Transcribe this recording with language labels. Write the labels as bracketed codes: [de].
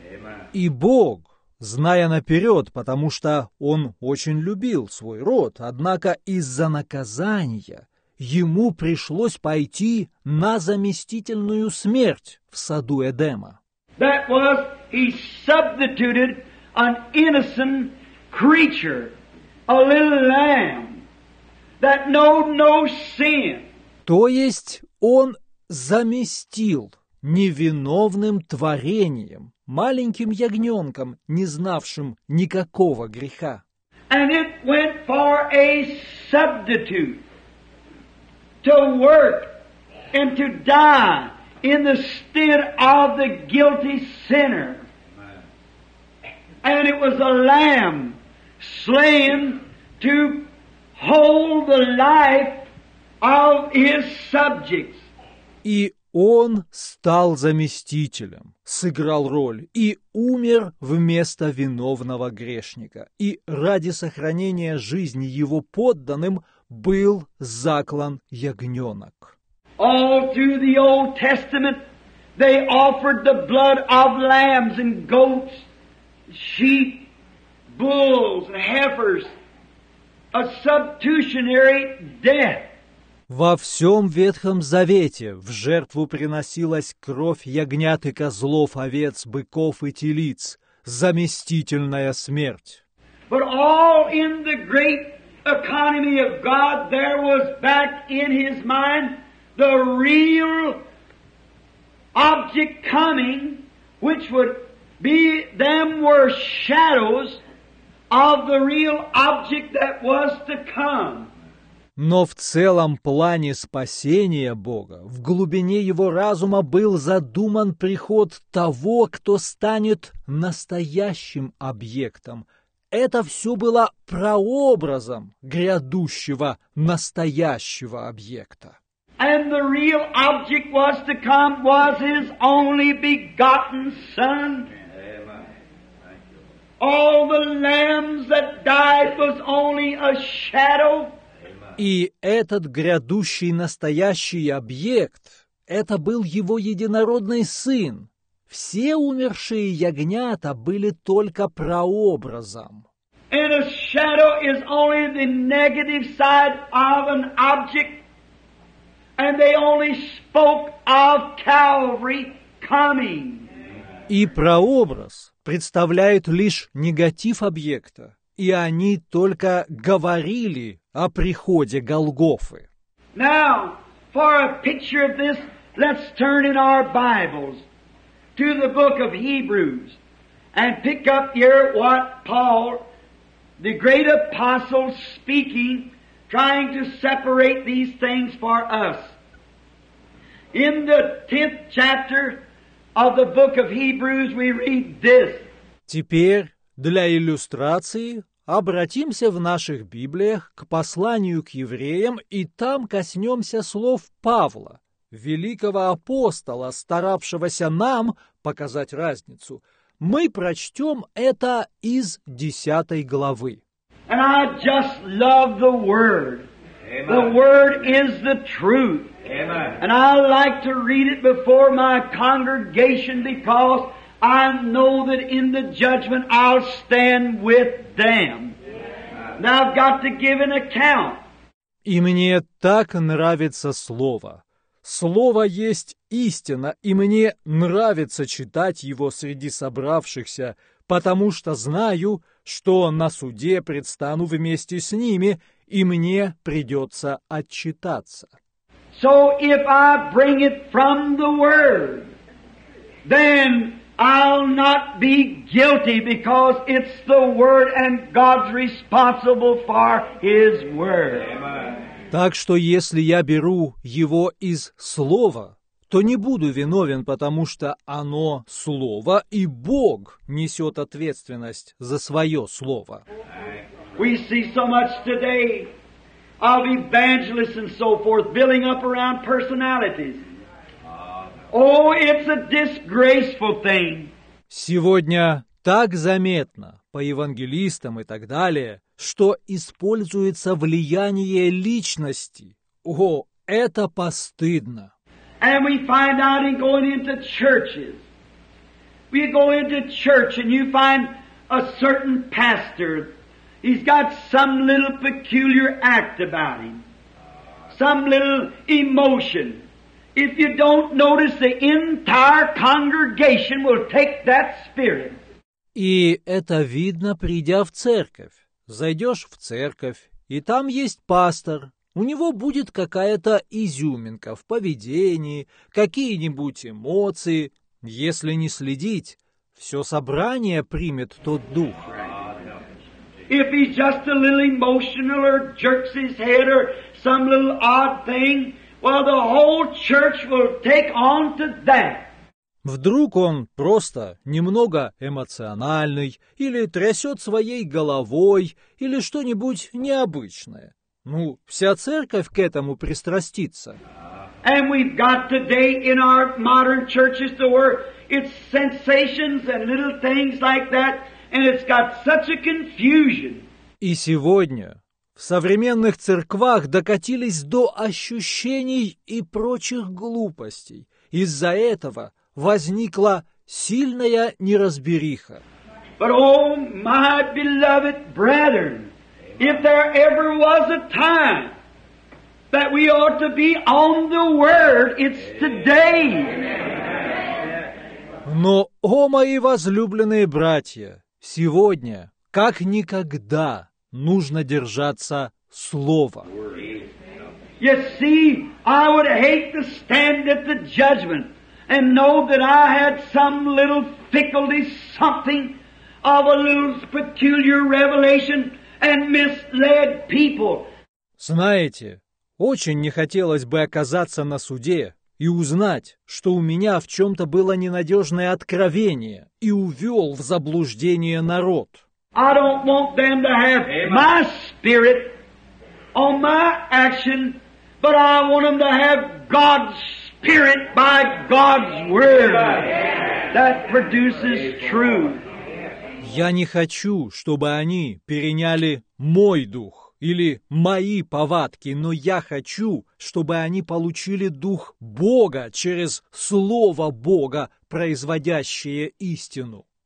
[en] Amen. [ru] И Бог, зная наперед, потому что Он очень любил свой род, однако из-за наказания Ему пришлось пойти на заместительную смерть в саду Эдема. [en] That was, He substituted an innocent creature, a little lamb. That no sin. [ru] То есть Он заместил невиновным творением, маленьким ягненком, не знавшим никакого греха. [en] And it went for a substitute to work and to die in the stead of the guilty sinner. And it was a lamb slain to hold the life of His subjects. [ru] И Он стал заместителем, сыграл роль и умер вместо виновного грешника. И ради сохранения жизни Его подданным был заклан ягненок. [en] All through the Old Testament they offered the blood of lambs and goats, sheep, bulls and heifers. A substitutionary death. [ru] Во всем Ветхом Завете в жертву приносилась кровь ягнят и козлов, овец, быков и телиц, заместительная смерть. [en] But all in the great economy of God, there was back in His mind the real object coming, which would be them were shadows of the real object that was to come. [ru] Но в целом плане спасения Бога, в глубине Его разума был задуман приход того, кто станет настоящим объектом. Это все было прообразом грядущего настоящего объекта. [en] And the real object was to come was His only begotten Son. All the lambs that died was only a shadow. [ru] И этот грядущий настоящий объект, это был Его единородный Сын. Все умершие ягнята были только прообразом. [en] And a shadow is only the negative side of an object. And they only spoke of Calvary coming. [ru] И прообраз представляет лишь негатив объекта, и они только говорили о приходе Голгофы. [en] Now, For a picture of this, let's turn in our Bibles to the book of Hebrews and pick up here what Paul, the great apostle, speaking, trying to separate these things for us. In the 10th chapter of the book of Hebrews, we read this. [ru] Теперь, для иллюстрации, обратимся в наших Библиях к посланию к евреям и там коснемся слов Павла, великого апостола, старавшегося нам показать разницу. Мы прочтем это из 10 главы. [en] And I just love the Word. Amen. The Word is the truth. Amen. And I like to read it before my congregation because I know that in the judgment I'll stand with them. Yeah. Now I've got to give an account. [ru] И мне так нравится слово. Слово есть истина, и мне нравится читать его среди собравшихся, потому что знаю, что на суде предстану вместе с ними, и мне придется отчитаться. [en] So if I bring it from the Word, then I'll not be guilty because it's the Word and God's responsible for His Word. [ru] Так что если я беру его из Слова, то не буду виновен, потому что оно Слово, и Бог несет ответственность за свое Слово. [en] We see so much today of evangelists and so forth building up around personalities. Oh, it's a disgraceful thing. [ru] Сегодня так заметно по евангелистам и так далее, что используется влияние личности. О, это постыдно. [en] And we find out in going into churches. We go into church and you find a certain pastor. He's got some little peculiar act about him. Some little emotion. If you don't notice, the entire congregation will take that spirit. [ru] И это видно, придя в церковь. Зайдешь в церковь, и там есть пастор. У него будет какая-то изюминка в поведении, какие-нибудь эмоции. Если не следить, все собрание примет тот дух. [en] If he's just a little emotional or jerks his head or some little odd thing, well, the whole church will take on to that. [ru] Вдруг он просто немного эмоциональный, или трясет своей головой, или что-нибудь необычное. Ну, вся церковь к этому пристрастится. [en] And we've got today in our modern churches the word, it's sensations and little things like that, and it's got such a confusion. [ru] И сегодня в современных церквах докатились до ощущений и прочих глупостей. Из-за этого возникла сильная неразбериха. [en] But, oh, my beloved brethren, if there ever was a time that we ought to be on the Word, it's today. [ru] Но, о, мои возлюбленные братья, сегодня, как никогда, нужно держаться Слова. [en] You see, I would hate to stand at the judgment and know that I had some little fickle something of a little peculiar revelation and misled people. [ru] Знаете, очень не хотелось бы оказаться на суде и узнать, что у меня в чем-то было ненадежное откровение и увел в заблуждение народ. [en] I don't want them to have my spirit on my action, but I want them to have God's Spirit by God's Word that produces truth. [ru] Я не хочу, чтобы они переняли мой дух или мои повадки, но я хочу, чтобы они получили дух Бога через Слово Бога, производящее истину.